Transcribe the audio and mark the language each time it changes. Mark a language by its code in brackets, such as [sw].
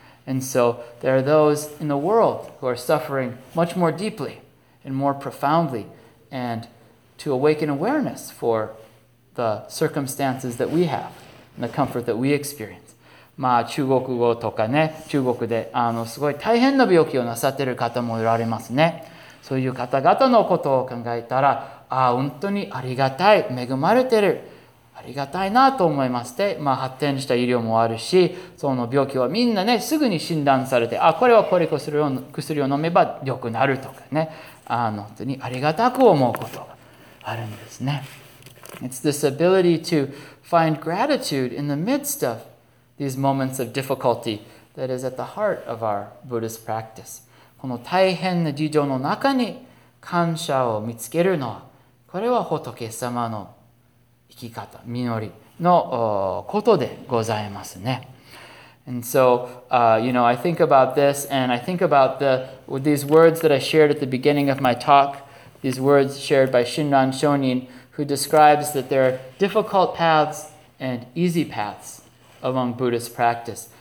[en] And so there are those in the world who are suffering much more deeply and more profoundly. And to awaken awareness for the circumstances that we have and the comfort that we experience. [ja] まあ中国語とかね、中国であのすごい大変な病気をなさっている方もおられますね。そういう方々のことを考えたら、ああ、本当にありがたい、恵まれてる。ありがたいなと思いまして、まあ、発展した医療もあるし、その病気はみんなね、すぐに診断されて、あ、これはこれ薬を飲めば良くなるとかね、あの、本当にありがたく思うことがあるんですね。 [en] It's this ability to find gratitude in the midst of these moments of difficulty that is at the heart of our Buddhist practice. [ja] この大変な事情の中に感謝を見つけるのは、これは仏様の生き方、実りのことでございますね。 [en] And so, you know, I think about this, and I think about these words that I shared at the beginning of my talk, these words shared by Shinran Shonin, who describes that there are difficult paths and easy paths among Buddhist practice.